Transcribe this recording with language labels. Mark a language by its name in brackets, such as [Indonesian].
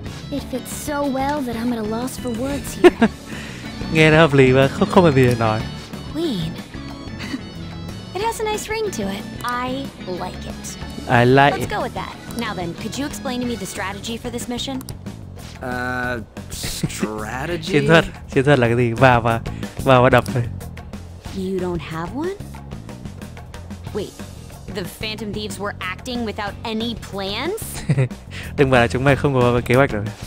[English] It fits so well that I'm at a loss for words here. [Vietnamese] Nghe nó hợp lý mà không có gì để nói. [English] Queen. It has a nice ring to it. I like it. I like. Let's go with that. Now then, could you explain to me the strategy for this mission? Strategy. [Vietnamese] Chiến thuật là cái gì? Vào và đập thôi. [English] You don't have one? Wait. The Phantom Thieves were acting without any plans? [Vietnamese] Đừng bảo là chúng mày không có kế hoạch rồi.